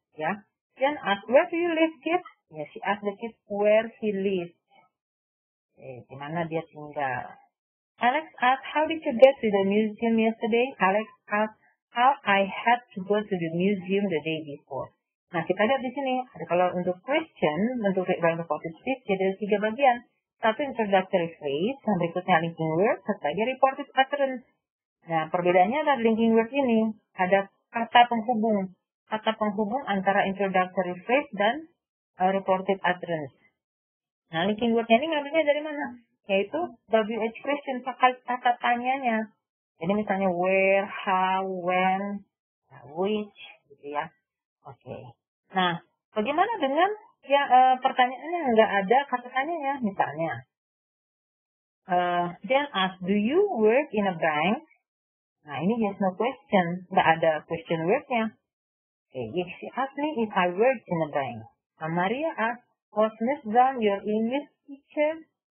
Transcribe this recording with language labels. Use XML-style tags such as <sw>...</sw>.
<en>Ya, then ask where do you live, kid? Ya, she asked the kid where he lives.</en> <id>Di mana dia tinggal?</id> <en>Alex asked, how did you get to the museum yesterday? Alex asked, how I had to go to the museum the day before.</en> <id>Nah, kita lihat di sini. Kalau untuk question, untuk reported speech, jadi ada tiga bagian. Satu introductory phrase, yang berikutnya linking word, serta lagi reported utterance. Nah, perbedaannya adalah linking word ini ada kata penghubung. Kata penghubung antara introductory phrase dan reported utterance. Nah, linking word-nya ini ngambilnya dari mana? Yaitu WH question, kata tanyanya. Jadi misalnya where, how, when, which, gitu ya. Oke. Nah, bagaimana dengan ya pertanyaannya nggak ada kata tanyanya, misalnya.</id> <en>Then ask, do you work in a bank?</en> <id>Nah, ini yes no question, nggak ada question word-nya. Okay,</id> <en>she asked me if I worked in a bank. So Maria asked, was Miss Brown your English teacher?</en>